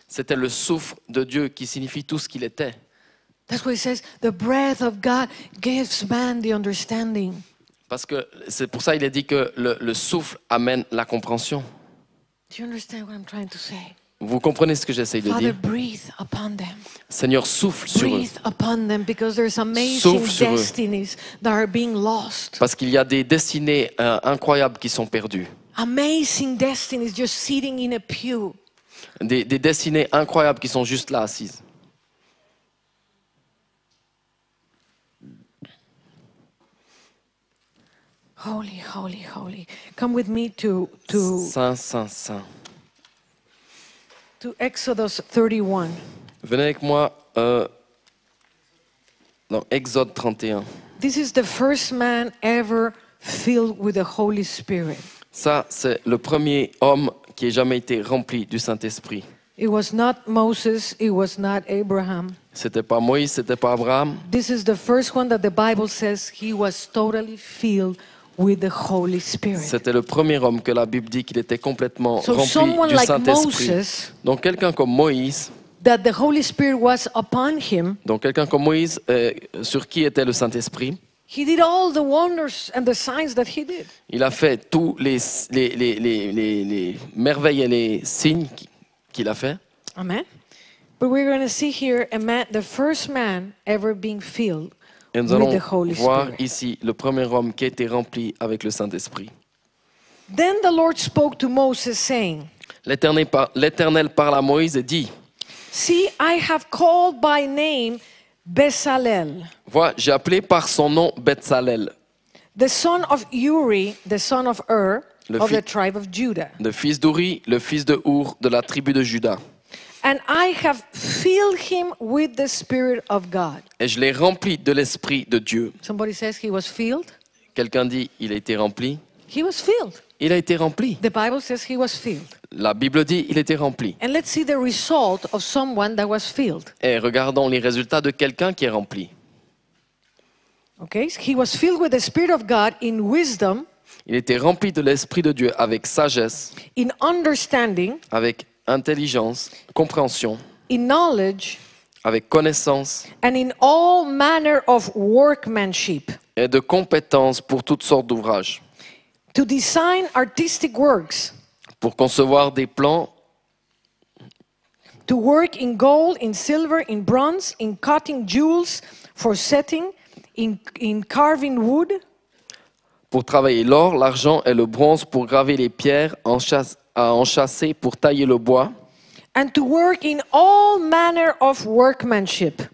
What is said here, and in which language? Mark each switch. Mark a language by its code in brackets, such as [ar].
[fr] C'était le souffle de Dieu qui signifie tout ce qu'il était. [en] That's what it says, the breath of God gives man the understanding. [fr] Parce que c'est pour ça qu'il a dit que le souffle amène la compréhension. [en] Do you understand what I'm trying to say? [fr] Vous comprenez ce que j'essaie de dire? [en] Breathe upon them. [fr] Seigneur, souffle sur eux. [en] Breathe upon them because there's amazing destinies that are being lost. [fr] Parce qu'il y a des destinées incroyables qui sont perdues. [en] Amazing destinies just sitting in a pew. [fr] Des destinées incroyables qui sont juste là assises. [en] Holy, holy, holy. Come with me to [fr] Saint, Saint, Saint. [en] To Exodus 31. [fr] Venez avec moi Dans Exode 31. [en] This is the first man ever filled with the Holy Spirit. [fr] Ça, c'est le premier homme qui ait jamais été rempli du Saint-Esprit. [en] It was not Moses, it was not Abraham. [fr] C'était pas Moïse, c'était pas Abraham. [en] This is the first one that the Bible says he was totally filled with the Holy Spirit. [fr] C'était le premier homme que la Bible dit qu'il était complètement rempli du Saint-Esprit. Donc quelqu'un comme Moïse, [en] that the Holy Spirit was upon him. [fr] Donc quelqu'un comme Moïse, sur qui était le Saint-Esprit? [en] He did all the wonders and the signs that he did. [fr] Il a fait tous les merveilles et les signes qu'il a fait. [en] Amen. But we're going to see here a man, the first man ever being filled with the Holy Spirit. [fr] Et nous allons voir ici le premier homme qui a été rempli avec le Saint-Esprit. [en] Then the Lord spoke to Moses, saying, [fr] L'Éternel parle à Moïse et dit, [en] see, I have called by name Bezalel. [fr] Vois, j'ai appelé par son nom Bezalel. [en] The son of Uri, the son of Ur, of the tribe of Judah. [fr] Le fils d'Uri, le fils de Ur, de la tribu de Juda. [en] And I have filled him with the Spirit of God. [fr] Et je l'ai rempli de l'Esprit de Dieu. [en] Somebody says he was filled. [fr] Quelqu'un dit, il a été rempli. [en] He was filled. [fr] Il a été rempli. [en] The Bible says he was filled. [fr] La Bible dit, il était rempli. [en] And let's see the result of someone that was filled. [fr] Et regardons les résultats de quelqu'un qui est rempli. [en] Okay, he was filled with the Spirit of God in wisdom. [fr] Il était rempli de l'Esprit de Dieu avec sagesse. [en] In understanding. [fr] Avec intelligence, compréhension. [en] In knowledge. [fr] Avec connaissance. [en] And in all manner of workmanship. [fr] Et de compétences pour toutes sortes d'ouvrages. [en] To design artistic works. [fr] Pour concevoir des plans. [en] To work in gold, in silver, in bronze, in cutting jewels, for setting, in carving wood. [fr] Pour travailler l'or, l'argent et le bronze, pour graver les pierres, enchâsser, pour tailler le bois. [en] And to work in all manner of workmanship.